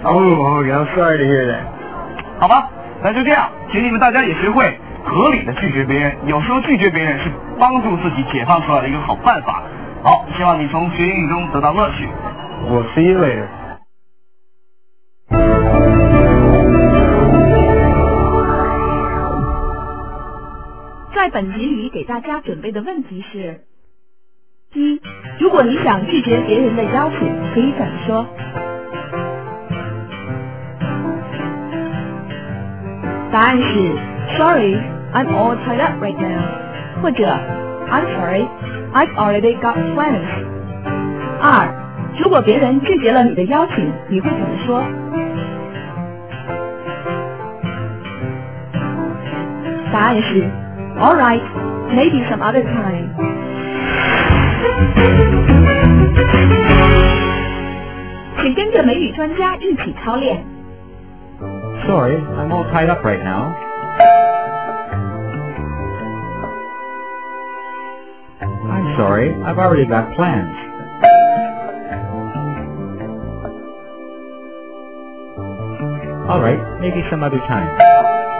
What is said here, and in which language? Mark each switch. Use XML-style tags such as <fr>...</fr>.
<en>Oh, okay, I'm sorry to hear that.</en> <zh>好吧，那就这样，请你们大家也学会合理的拒绝别人。有时候拒绝别人是帮助自己解放出来的一个好办法。好，希望你从学英语中得到乐趣。</zh> <en>We'll see you later.</en> <zh>In 本集里给大家准备的问题是一，如果你想拒绝别人的邀请，可以怎么说？答案是</zh> <en>Sorry, I'm all tied up right now.</en> <zh>或者</zh> <en>I'm sorry, I've already got plans.</en> <zh>二，如果别人拒绝了你的邀请，你会怎么说？答案是</zh> <en>All right, maybe some other time.</en> <zh>请跟着美语专家一起操练。</zh> <en>Sorry, I'm all tied up right now. I'm sorry, I've already got plans. All right, maybe some other time.</en>